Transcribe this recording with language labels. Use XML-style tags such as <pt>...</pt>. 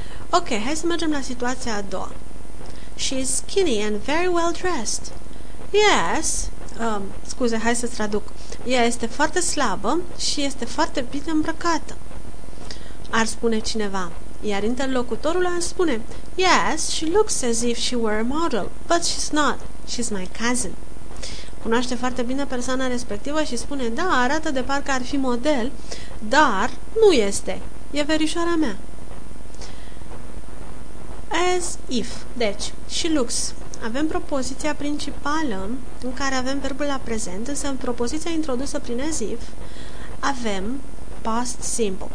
<ro>Ok, hai să mergem la situația a doua.</ro> <en>She is skinny and very well dressed.</en> <ro>Yes, scuze, hai să traduc. Ea este foarte slabă și este foarte bine îmbrăcată. Ar spune cineva. Iar interlocutorul ar spune.</ro> <en>Yes, she looks as if she were a model, but she's not. She's my cousin.</en> <ro>Cunoaște foarte bine persoana respectivă și spune. Da, arată de parcă ar fi model, dar nu este. E verișoara mea. As if. Deci, she looks. Avem propoziția principală în care avem verbul la prezent, însă în propoziția introdusă prin as if avem past simple.</ro>